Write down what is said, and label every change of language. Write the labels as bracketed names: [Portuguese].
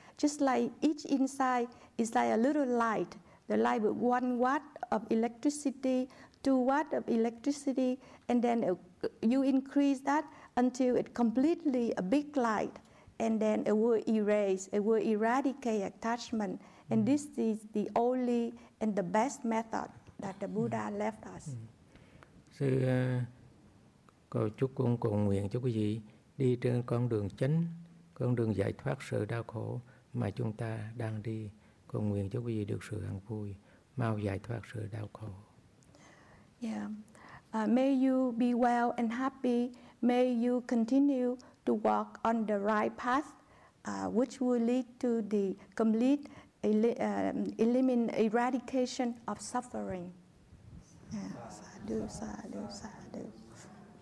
[English] Just like each inside is like a little light, the light with 1 watt of electricity, 2 watt of electricity, and then you increase that until it completely a big light, and then it will eradicate attachment. And this is the only and the best method that the Buddha left us. [Vietnamese] Sư cầu chúc cũng cầu nguyện cho quý vị đi trên con đường chánh, con đường giải thoát sự đau khổ mà chúng ta đang đi. Cầu nguyện cho quý vị được sự an vui, mau giải thoát sự đau khổ. [English] Yeah. May you be well and happy. May you continue to walk on the right path, which will lead to the complete eradication of suffering. Yeah. Sadhu, sadhu, sadhu.